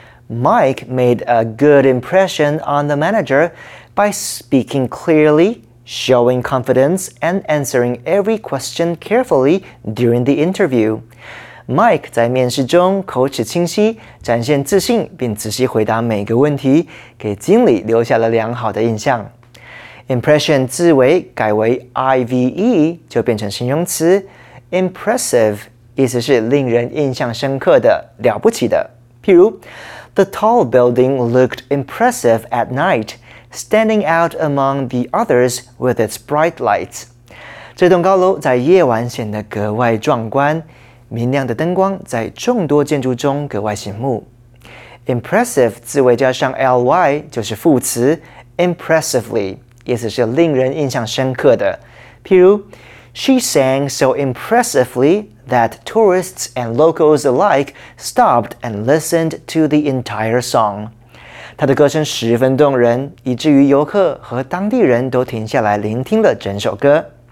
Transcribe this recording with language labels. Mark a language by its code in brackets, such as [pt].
[en] Mike made a good impression on the manager by speaking clearly, showing confidence, and answering every question carefully during the interview. [zh] Mike 在面试中口齿清晰，展现自信，并仔细回答每个问题，给经理留下了良好的印象。 Impression 字尾改为 IVE 就变成形容词 ，impressive 意思是令人印象深刻的，了不起的。譬如 [en] The tall building looked impressive at night, standing out among the others with its bright lights. [zh] 这栋高楼在夜晚显得格外壮观，明亮的灯光在众多建筑中格外醒目。 Impressive 字尾加上 ly 就是副词 impressively， 意思是令人印象深刻的。譬如 [en] She sang so impressively. That tourists and locals alike stopped and listened to the entire song. [zh] 她的歌声十分动人，以至于游客和当地人都停下来聆听了整首歌。